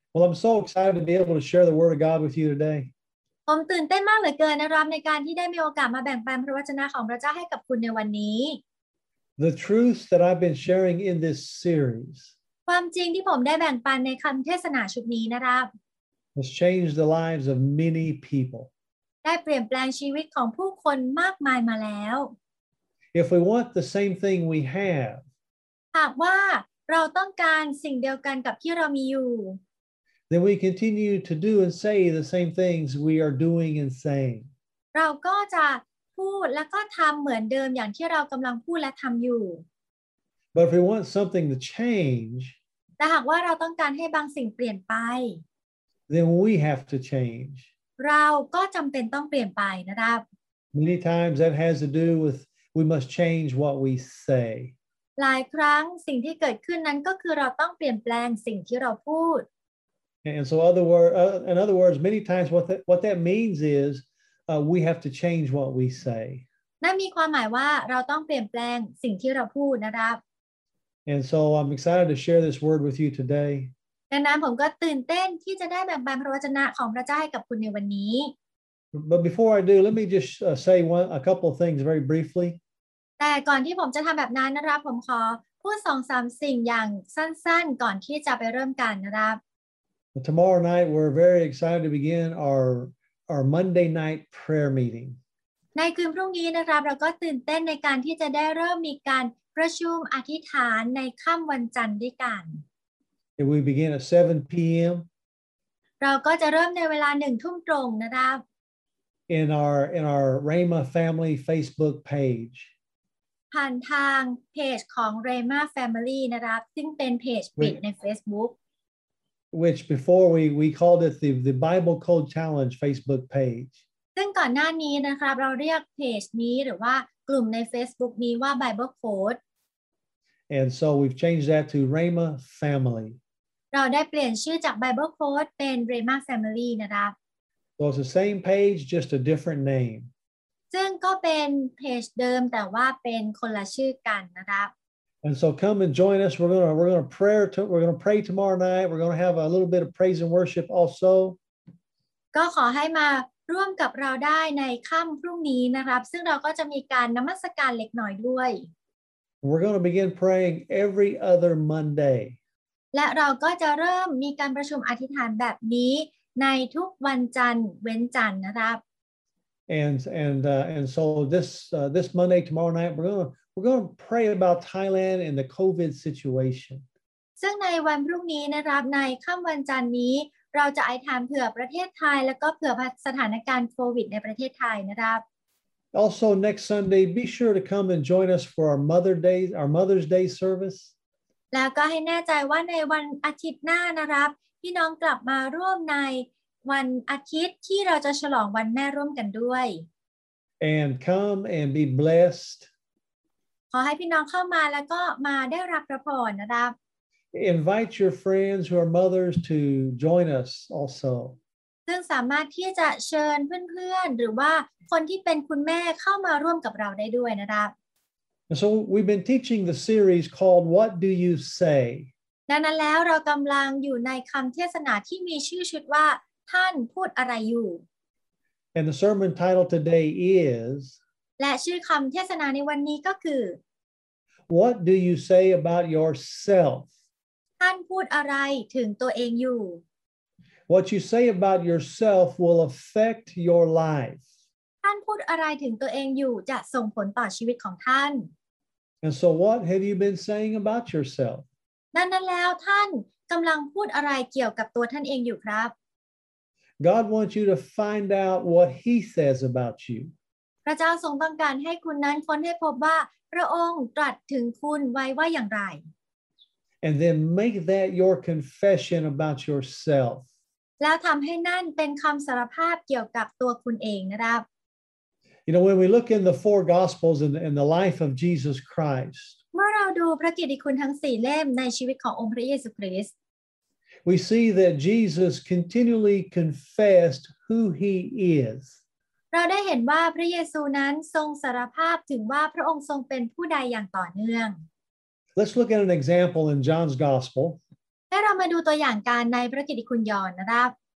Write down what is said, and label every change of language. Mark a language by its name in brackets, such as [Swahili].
[English] Well, I'm so excited to be able to share the word of God with you today. [Thai] ผมตื่นเต้นมากเหลือเกินนะครับในการที่ได้มีโอกาสมาแบ่งปันพระวจนะของพระเจ้าให้กับคุณในวันนี้ [English] The truth that I've been sharing in this series. [Thai] ความจริงที่ผมได้แบ่งปันในคําเทศนาชุดนี้นะครับ [English] Has changed the lives of many people. [Thai] ได้เปลี่ยนแปลงชีวิตของผู้คนมากมายมาแล้ว [English] If we want the same thing we have. [Thai] หากว่าเราต้องการสิ่งเดียวกันกับที่เรามีอยู่ [English] Then we continue to do and say the same things we are doing and saying. [Thai] เราก็จะพูดแล้วก็ทำเหมือนเดิมอย่างที่เรากำลังพูดและทำอยู่ [English] But if we want something to change, [Thai] แต่หากว่าเราต้องการให้บางสิ่งเปลี่ยนไป [English] Then we have to change. [Thai] เราก็จำเป็นต้องเปลี่ยนไปนะครับ [English] Many times that has to do with we must change what we say. [Thai] หลายครั้งสิ่งที่เกิดขึ้นนั้นก็คือเราต้องเปลี่ยนแปลงสิ่งที่เราพูด [English] And so other word, in other words, many times what that means is we have to change what we say. [Thai] นั่นมีความหมายว่าเราต้องเปลี่ยนแปลงสิ่งที่เราพูดนะครับ [English] And so I'm excited to share this word with you today. [Thai] ดังนั้นผมก็ตื่นเต้นที่จะได้แบ่งปันพระวจนะของพระเจ้าให้กับคุณในวันนี้ [English] But before I do, let me just say a couple of things very briefly. [Thai] แต่ก่อนที่ผมจะทำแบบนั้นนะครับผมขอพูด 2-3 สิ่งอย่างสั้นๆก่อนที่จะไปเริ่มกันนะครับ [English] Tomorrow night we're very excited to begin our Monday night prayer meeting. [Thai] ในคืนพรุ่งนี้นะครับเราก็ตื่นเต้นในการที่จะได้เริ่มมีการประชุมอธิษฐานในค่ำวันจันทร์ด้วยกัน [English] And we begin at 7 p.m. [Thai] เราก็จะเริ่มในเวลา 1 ทุ่มตรงนะครับ [English] In our Rhema Family Facebook page. [Thai] ผ่านทางเพจของ Rhema Family นะครับซึ่งเป็นเพจปิดใน Facebook [English] which before we called it the Bible Code Challenge Facebook page [Thai] ซึ่งก่อนหน้านี้นะครับเราเรียกเพจนี้หรือว่ากลุ่มใน Facebook นี้ว่า Bible Code [English] and so we've changed that to Rhema Family [Thai] เราได้เปลี่ยนชื่อจาก Bible Code เป็น Rhema Family นะครับ [English] so it's the same page just a different name [Thai] ซึ่งก็เป็นเพจเดิมแต่ว่าเป็นคนละชื่อกันนะครับ [English] And so come and join us. We're going to pray tomorrow night. We're going to have a little bit of praise and worship also. [Thai] ก็ขอให้มาร่วมกับเราได้ในค่ำพรุ่งนี้นะครับซึ่งเราก็จะมีการนมัสการเล็กน้อยด้วย [English] We're going to begin praying every other Monday. [Thai] และเราก็จะเริ่มมีการประชุมอธิษฐานแบบนี้ในทุกวันจันทร์เว้นจันทร์นะครับ [English] And so this Monday tomorrow night we're going to pray about Thailand and the COVID situation. [Thai] ซึ่งในวันพรุ่งนี้นะครับในค่ำวันจันทร์นี้เราจะอธิษฐานเผื่อประเทศไทยแล้วก็เผื่อสถานการณ์โควิดในประเทศไทยนะครับ [English] Also next Sunday be sure to come and join us for our Mother's Day service. [Thai] แล้วก็ให้แน่ใจว่าในวันอาทิตย์หน้านะครับพี่น้องกลับมาร่วมในวันอาทิตย์ที่เราจะฉลองวันแม่ร่วมกันด้วย [English] And come and be blessed. [Thai] ขอให้พี่น้องเข้ามาแล้วก็มาได้รับพระพรนะครับ [English] Invite your friends who are mothers to join us also [Thai] ซึ่งสามารถที่จะเชิญเพื่อนๆหรือว่าคนที่เป็นคุณแม่เข้ามาร่วมกับเราได้ด้วยนะครับ [English] And so we've been teaching the series called What Do You Say [Thai] ดังนั้นแล้วเรากำลังอยู่ในคำเทศนาที่มีชื่อชุดว่าท่านพูดอะไรอยู่ [English] And the sermon title today is [Thai] และชื่อคำเทศนาในวันนี้ก็คือ [English] What do you say about yourself? [Thai] ท่านพูดอะไรถึงตัวเองอยู่ [English] What you say about yourself will affect your life. [Thai] ท่านพูดอะไรถึงตัวเองอยู่จะส่งผลต่อชีวิตของท่าน [English] And so what have you been saying about yourself? [Thai] นั่นแล้วท่านกำลังพูดอะไรเกี่ยวกับตัวท่านเองอยู่ครับ [English] God wants you to find out what he says about you. [Thai] พระเจ้าทรงต้องการให้คุณนั้นค้นให้พบว่าพระองค์ตรัสถึงคุณไว้ว่าอย่างไร [English] And then make that your confession about yourself [Thai] แล้วทำให้นั่นเป็นคำสารภาพเกี่ยวกับตัวคุณเองนะครับ [English] You know when we look in the four gospels and the life of Jesus Christ [Thai] เมื่อเราดูพระกิตติคุณทั้ง4เล่มในชีวิตขององค์พระเยซูคริสต์ [English] We see that Jesus continually confessed who he is [Thai] เราได้เห็นว่าพระเยซูนั้นทรงสารภาพถึงว่าพระองค์ทรงเป็นผู้ใดอย่างต่อเนื่อง [English] Let's look at an example in John's Gospel [Thai] ให้เรามาดูตัวอย่างการในพระกิตติคุณยอห์นนะครับ